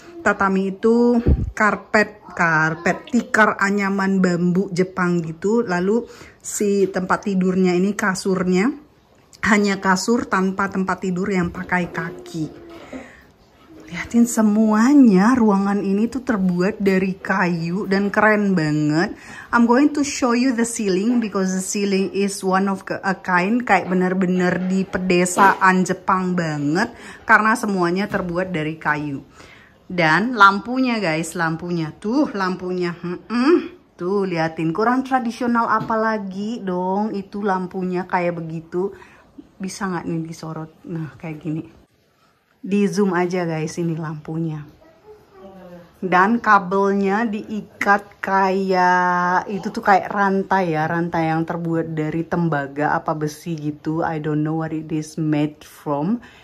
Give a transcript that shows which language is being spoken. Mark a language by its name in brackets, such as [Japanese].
[Indonesian] Tatami itu karpet tikar anyaman bambu Jepang gitu. Lalu si tempat tidurnya ini kasurnya hanya kasur tanpa tempat tidur yang pakai kaki. Lihatin semuanya, ruangan ini tuh terbuat dari kayu dan keren banget. [English] I'm going to show you the ceiling because the ceiling is one of a kind. [Indonesian] Kayak bener-bener di pedesaan Jepang banget karena semuanya terbuat dari kayu. Dan lampunya guys, lampunya. Tuh liatin, kurang tradisional apalagi dong itu lampunya kayak begitu. Bisa gak nih disorot? Nah kayak gini. Di zoom aja guys, ini lampunya. Dan kabelnya diikat kayak, itu tuh kayak rantai ya, rantai yang terbuat dari tembaga apa besi gitu. [English] I don't know what it is made from.